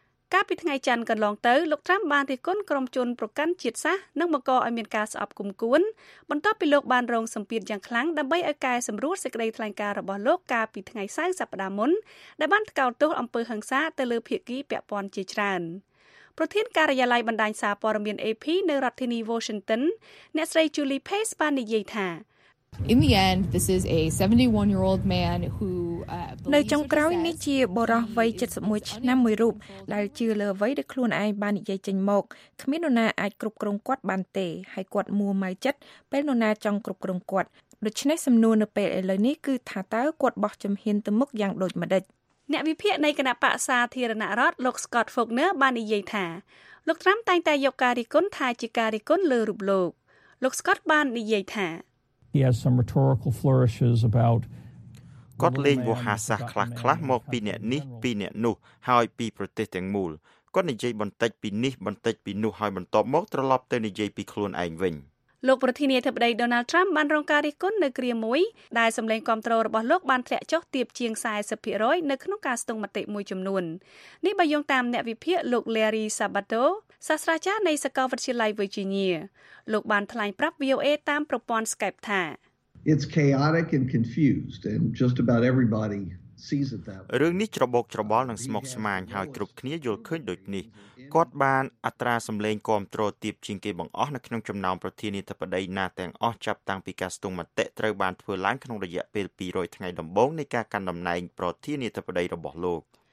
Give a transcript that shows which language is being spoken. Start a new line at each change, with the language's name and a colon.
Khmer: ។កាលពីថ្ងៃច័ន្ទកន្លងទៅលោកត្រាំបានរិះគន់ក្រុមជនប្រកាន់ជាតិសាសន៍និងបង្កឲ្យមានការស្អប់គុំគួន។បន្ទាប់ពីលោកបានរងសម្ពាធយ៉ាងខ្លាំងដើម្បីឲ្យកែសម្រួលសេចក្តីថ្លែងការណ៍របស់លោកកាលពីថ្ងៃសៅរ៍សប្តាហ៍មុន។ដែលបានថ្កោលទោសអំពើហិង្សាទៅលើភាគីពាក់ព័ន្ធជាច្រើន។ប្រធានការិយាល័យបណ្ដាញសារព័ត៌មាន AP នៅរដ្ឋធានី Washington អ្នកស្រី Julie Pace បាននិយាយថា
English: In the end this is a 71-year-old man who
Khmer: នៅចុងក្រោយនេះជាបុរសវ័យ71ឆ្នាំមួយរូបដែលជឿលើអ្វីដែលខ្លួនឯងបាននិយាយចេញមកគ្មាននរណាអាចគ្រប់គ្រងគាត់បានទេហើយគាត់មួម៉ៅចិត្តពេលនរណាចង់គ្រប់គ្រងគាត់ដូច្នេះសំណួរនៅពេលឥឡូវនេះគឺថាតើគាត់បោះជំហានទៅមុខយ៉ាងដូចម្ដេច អ្នកវិភាគនៃគណៈបក្សសាធារណរដ្ឋលោក Scott Faulkner បាននិយាយថាលោក Trump តែងតែយកការរិះគន់ថាជាការរិះគន់លើរូបលោកលោក Scott បាននិយាយថា
English: He has some rhetorical flourishes about
Khmer: គាត់លេងវោហារសាស្ត្រខ្លះៗមកពីអ្នកនេះពីអ្នកនោះហើយពីប្រទេសទាំងមូលគាត់និយាយបន្តិចពីនេះបន្តិចពីនោះហើយបន្តមកត្រឡប់ទៅនិយាយពីខ្លួនឯងវិញ លោកប្រធានាធិបតី Donald Trump បានរងការរិះគន់នៅគ្រាមួយដែលសម្លេងគាំទ្ររបស់លោកបានធ្លាក់ចុះទាបជាង 40% នៅក្នុងការស្ទង់មតិមួយចំនួននេះបើយោងតាមអ្នកវិភាគលោក Larry Sabato សាស្ត្រាចារ្យនៃសាកលវិទ្យាល័យ Virginia លោកបានថ្លែងប្រាប់ VOA តាមប្រព័ន្ធ Skype ថា
English: It's chaotic and confused and just about everybody sees it that way
Khmer: រឿងនេះច្របូកច្របល់និងស្មុគស្មាញហើយគ្រប់គ្នាយល់ឃើញដូចនេះគាត់បានអត្រាសម្លេងគាំទ្រទាបជាងគេបង្អស់នៅក្នុងចំណោមប្រធានាធិបតីណាទាំងអស់ចាប់តាំងពីការស្ទង់មតិត្រូវបានធ្វើឡើងក្នុងរយៈពេល200ថ្ងៃដំបូងនៃការកាន់តំណែងប្រធានាធិបតីរបស់លោករ